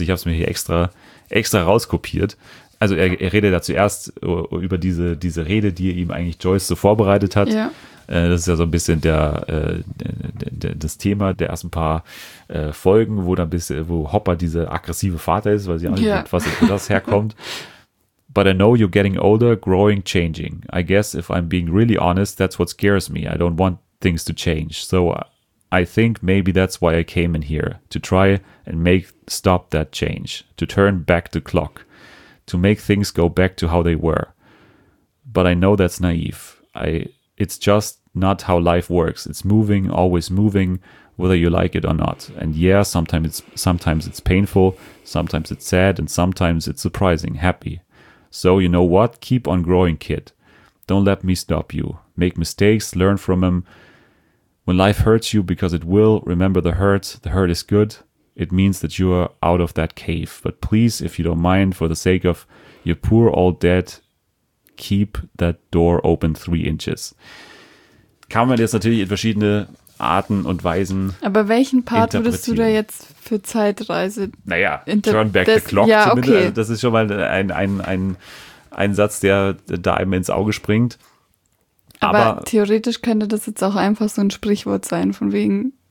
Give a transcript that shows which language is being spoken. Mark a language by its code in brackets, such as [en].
[de] Ich habe es mir hier extra rauskopiert. Also er redet da zuerst über diese Rede, die ihm eigentlich Joyce so vorbereitet hat. Ja. Das ist ja so ein bisschen das Thema der ersten paar Folgen, wo Hopper dieser aggressive Vater ist, weil sie auch nicht weiß, wo das herkommt. [en] But I know you're getting older, growing, changing. I guess if I'm being really honest, that's what scares me. I don't want things to change. So I think maybe that's why I came in here, to try and make stop that change, to turn back the clock, to make things go back to how they were. But I know that's naive. It's just not how life works. It's moving, always moving, whether you like it or not. And yeah, sometimes it's painful, sometimes it's sad, and sometimes it's surprising, happy. So, you know what? Keep on growing, kid. Don't let me stop you. Make mistakes, learn from them. When life hurts you, because it will, remember the hurt is good. It means that you are out of that cave. But please, if you don't mind, for the sake of your poor old dad, keep that door open 3 inches. [de] Kann man jetzt natürlich in verschiedene Arten und Weisen. Aber welchen Part würdest du da jetzt für Zeitreise? Naja, [en] turn back the clock [de] zumindest. [en] Okay. [de] Also das ist schon mal ein Satz, der da einem ins Auge springt. Aber theoretisch könnte das jetzt auch einfach so ein Sprichwort sein, von wegen,